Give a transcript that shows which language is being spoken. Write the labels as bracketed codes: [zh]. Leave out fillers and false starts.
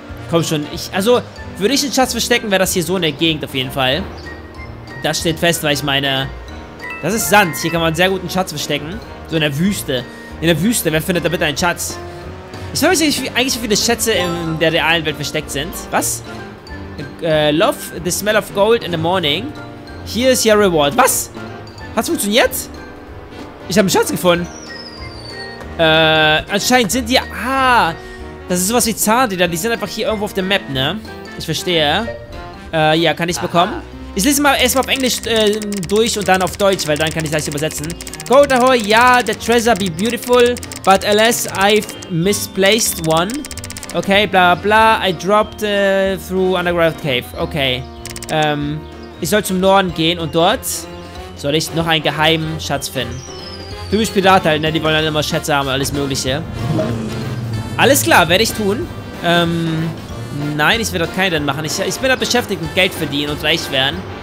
[de] Komm schon, würde ich einen Schatz verstecken, wäre das hier so in der Gegend auf jeden Fall. Das steht fest, weil ich meine, das ist Sand. Hier kann man einen sehr guten Schatz verstecken. So in der Wüste. In der Wüste, wer findet da bitte einen Schatz? Ich weiß nicht, eigentlich, wie viele Schätze in der realen Welt versteckt sind. Was? [en] Love the smell of gold in the morning. Here is your reward. [de] Was? Hat's funktioniert? Ich habe einen Schatz gefunden. Anscheinend sind die... Ah, das ist sowas wie Zahnräder. Die sind einfach hier irgendwo auf der Map, ne? Ich verstehe. Ja, kann ich bekommen? Ich lese mal erstmal auf Englisch durch und dann auf Deutsch, weil dann kann ich gleich übersetzen. [en] Gold Ahoy, ja, the treasure be beautiful, but alas, I've misplaced one. Okay, bla bla, I dropped through underground cave. Okay. [de] Ich soll zum Norden gehen und dort soll ich noch einen geheimen Schatz finden. Du bist Pirat halt, ne? Die wollen halt immer Schätze haben und alles Mögliche. Alles klar, werde ich tun. Nein, ich werde dort keinen machen. Ich bin da beschäftigt mit Geld verdienen und reich werden.